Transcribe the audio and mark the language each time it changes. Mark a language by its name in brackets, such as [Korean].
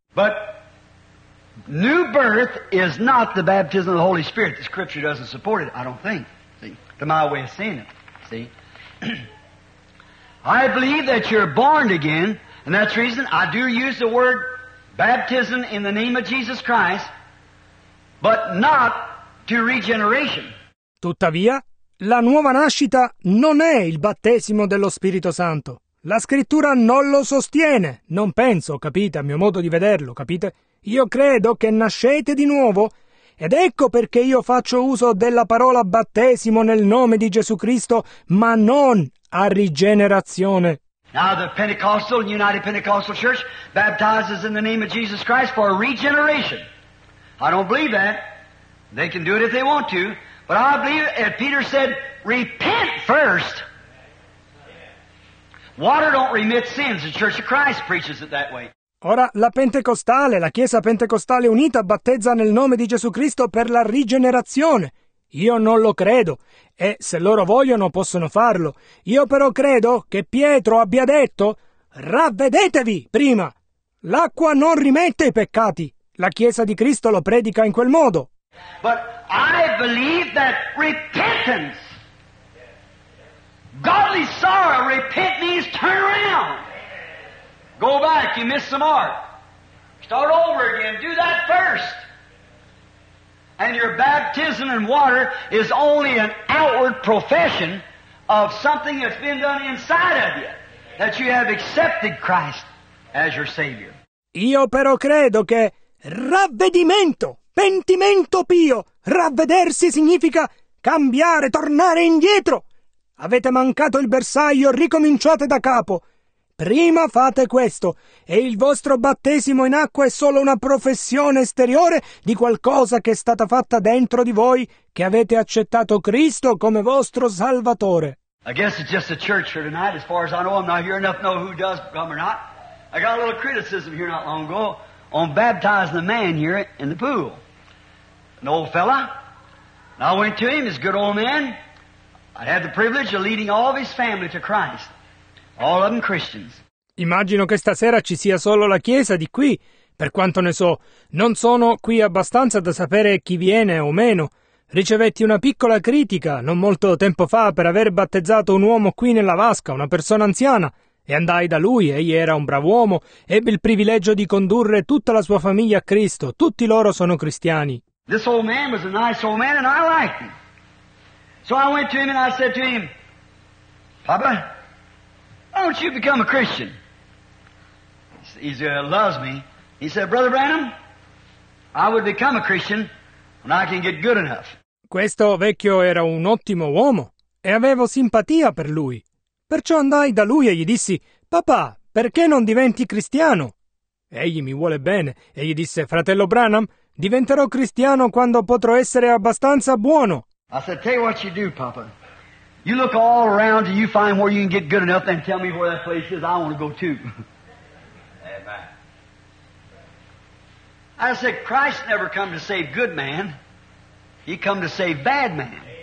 [English] But new birth is not the baptism of the Holy Spirit. The scripture doesn't support it, I don't think. See, to my way of seeing it, see? I believe that you're born again, and that's the reason I do use the word baptism in the name of Jesus Christ, but not to regeneration. [Italian] Tuttavia, la nuova nascita non è il battesimo dello Spirito Santo. La scrittura non lo sostiene, non penso, capite, a mio modo di vederlo, capite? Io credo che nascete di nuovo, ed ecco perché io faccio uso della parola battesimo nel nome di Gesù Cristo, ma non a rigenerazione. [English] Now the Pentecostal, United Pentecostal Church, baptizes in the name of Jesus Christ for regeneration. I don't believe that. They can do it if they want to. But I believe that Peter said, repent first. Water don't remit sins. The Church of Christ preaches it that way. [Italian] Ora, la Pentecostale, la Chiesa Pentecostale Unita, battezza nel nome di Gesù Cristo per la rigenerazione. Io non lo credo, e se loro vogliono possono farlo. Io però credo che Pietro abbia detto, ravvedetevi prima! L'acqua non rimette I peccati. La Chiesa di Cristo lo predica in quel modo. [English] But I believe that repentance, godly sorrow, repent means turn around. Go back, you missed the mark. Start over again, do that first. And your baptism in water is only an outward profession of something that's been done inside of you, that you have accepted Christ as your Savior. [Italian] Io però credo che ravvedimento, pentimento pio, ravvedersi significa cambiare, tornare indietro. Avete mancato il bersaglio, ricominciate da capo. Prima fate questo, e il vostro battesimo in acqua è solo una professione esteriore di qualcosa che è stata fatta dentro di voi, che avete accettato Cristo come vostro Salvatore. [English] I guess it's just a church here tonight, as far as I know. I'm not here enough to know who does come or not. I got a little criticism here not long ago on baptizing a man here in the pool. An old fella. And I went to him, he's a good old man. I had the privilege of leading all of his family to Christ. All of them Christians. [Italian] Immagino che stasera ci sia solo la chiesa di qui, per quanto ne so. Non sono qui abbastanza da sapere chi viene o meno. Ricevetti una piccola critica non molto tempo fa per aver battezzato un uomo qui nella vasca, una persona anziana, e andai da lui, egli era un brav'uomo, ebbe il privilegio di condurre tutta la sua famiglia a Cristo, tutti loro sono cristiani. [English] This old man was a nice old man and I liked him. So I went to him and I said to him, Papa, why don't you become a Christian? He loves me. He said, Brother Branham, I would become a Christian when I can get good enough. [Italian] Questo vecchio era un ottimo uomo e avevo simpatia per lui. Perciò andai da lui e gli dissi, Papà, perché non diventi cristiano? Egli mi vuole bene e gli disse, Fratello Branham, diventerò cristiano quando potrò essere abbastanza buono. [English] I said, tell you what you do, Papa. You look all around and you find where you can get good enough and tell me where that place is. I want to go too. Amen. I said, Christ never come to save good man. He come to save bad man.